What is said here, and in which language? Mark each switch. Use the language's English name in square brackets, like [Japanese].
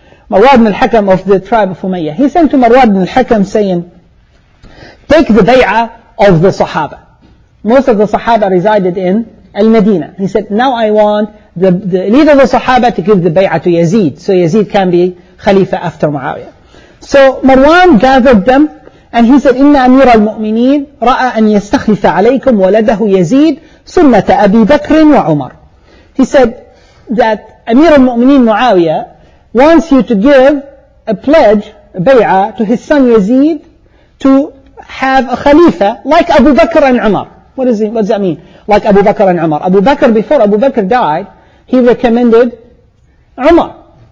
[English] Marwan ibn al-Hakam of the tribe of Umayyah. He sent to Marwan ibn al-Hakam saying, take the bay'ah of the Sahaba. Most of the Sahaba resided in al-Madina. He said, now I want the leader of the Sahaba to give the bay'ah to Yazid, so Yazid can be Khalifa after Muawiyah. So Marwan gathered them, and he said, [Arabic] إِنَّ أَمِيرَ الْمُؤْمِنِينَ رَأَى أَنْ يَسْتَخْلِفَ عَلَيْكُمْ وَلَدَهُ يَزِيدُ سُنَّةَ أَبِي بَكْرٍ وَعُمَرٍ. [English] He said that Amir al-Mu'mineen Muawiyah wants you to give a pledge, a bay'ah, to his son Yazid to have a Khalifa like Abu Bakr and Umar. What does that mean? Like Abu Bakr and Umar. Abu Bakr, before Abu Bakr died, he recommended Umar.